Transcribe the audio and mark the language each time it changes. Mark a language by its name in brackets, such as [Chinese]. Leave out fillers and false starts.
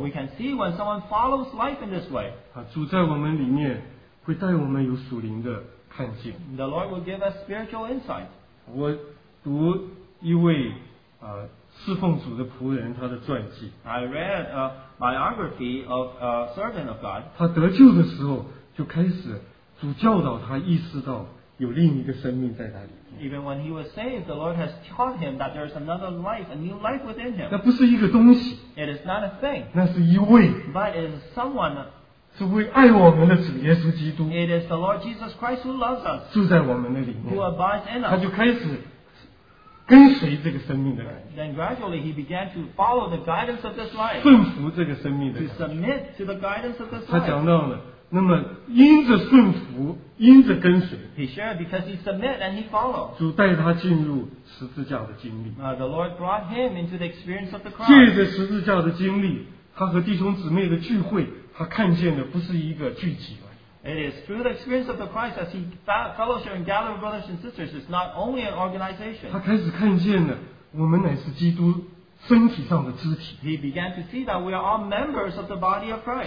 [English] We can see when someone follows life in this way. [Chinese] 主在我们里面会带我们有属灵的看见。 [English] The Lord will give us spiritual insight. [Chinese] 我读。一位侍奉主的仆人，他的传记。 [English] I read a biography of a servant of God. [Chinese] 他得救的时候，就开始主教导他意识到有另一个生命在他里面。 [English] Even when he was saved, the Lord has taught him that there is another life, a new life within him. [Chinese] 那不是一个东西。 [English] It is not a thing. [Chinese] 那是一位。 [English] But it is someone. [Chinese] 是位爱我们的主耶稣基督。 [English] It is the Lord Jesus Christ who loves us. [Chinese] 住在我们的里面。 [English] Who abides in us. [Chinese] 他就开始。跟随这个生命的人, [English] then gradually he began to follow the guidance of this life. [Chinese] 顺服这个生命的人, [English] to submit to the guidance of this life. [Chinese] 他讲到了, 那么因着顺服, 因着跟随, [English] he shared because he submit and he followed. [Chinese] 主带他进入十字架的经历, [English] the Lord brought him into the experience of the cross. [Chinese] 借着十字架的经历, 他和弟兄姊妹的聚会, 他看见的不是一个聚集。 [English] It is through the experience of the Christ as he fellowship and gather with brothers and sisters. It's not only an organization. [Chinese] 他开始看见了，我们乃是基督身体上的肢体。 [English] He began to see that we are all members of the body of Christ.